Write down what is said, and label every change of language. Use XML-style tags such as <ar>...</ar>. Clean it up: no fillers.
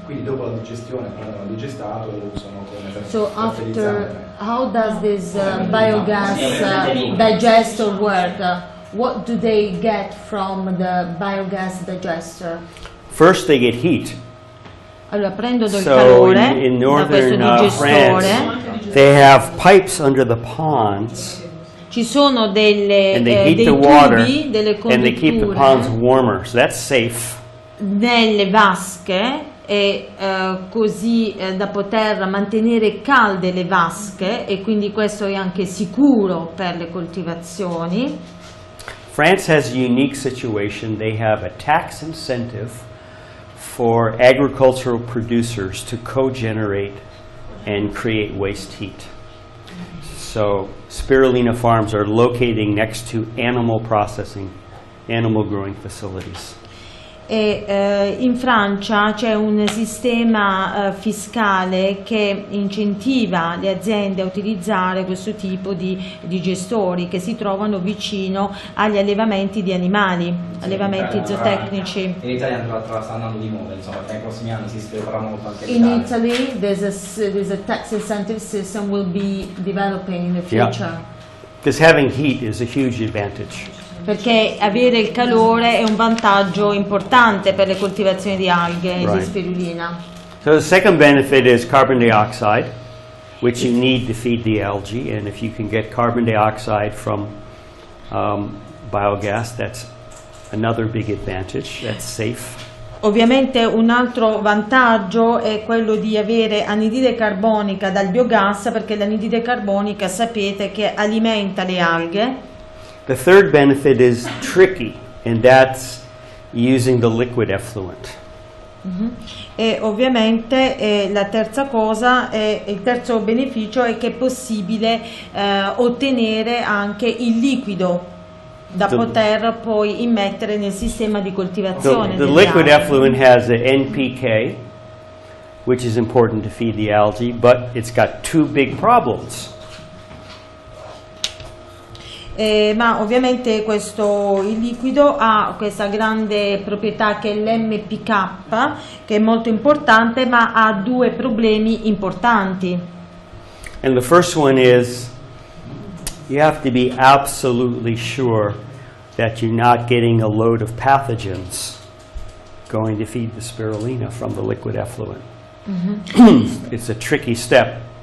<it>Quindi dopo la digestione prendono il digestato e lo usano come</it> <en>How does this biogas digester work? What do they get from the biogas digester? First they get heat.</en> <it>Allora prendo del calore.</it> <en>In northern France they have pipes under the ponds.</en> <it>Ci sono delle</it> <en>and they keep the ponds warmer, so that's safe.</en> <it>Nelle vasche così da poter mantenere calde le vasche, e quindi questo è anche sicuro per le coltivazioni.</it> <en>France has a unique situation. They have a tax incentive for agricultural producers to co-generate and create waste heat. So spirulina farms are locating next to animal growing facilities.</en> <it>E in Francia c'è un sistema fiscale che incentiva le aziende a utilizzare questo tipo di gestori che si trovano vicino agli allevamenti di animali, sì, allevamenti zootecnici. In Italia sta andando di moda, insomma, nei prossimi anni si sviluppa molto anche</it> <en>in Italy. There's a tax incentive system will be developing in the future. Yeah. Because having heat is a huge advantage.</en> <it>Perché avere il calore è un vantaggio importante per le coltivazioni di alghe e</it> <en>right.</en> <it>di spirulina.</it> <en>So the second benefit is carbon dioxide, which you need to feed the algae, and if you can get carbon dioxide from biogas, that's another big advantage, that's safe.</en> <it>Ovviamente un altro vantaggio è quello di avere anidride carbonica dal biogas, perché l'anidride carbonica sapete che alimenta le alghe.</it> <en>The third benefit is tricky, and that's using the liquid effluent. Mm-hmm.</en> <it>E ovviamente la terza cosa, il terzo beneficio è che è possibile ottenere anche il liquido da poter poi immettere nel sistema di coltivazione.</it> <en>The liquid effluent has a NPK, which is important to feed the algae, but it's got two big problems.</en> <it>Ma ovviamente questo il liquido ha questa grande proprietà che è l'MPK, che è molto importante, ma ha due problemi importanti.</it> <en>And the first one is you have to be absolutely sure that you're not getting a load of pathogens going to feed the spirulina from the liquid effluent. Mm-hmm. It's a tricky step.</en>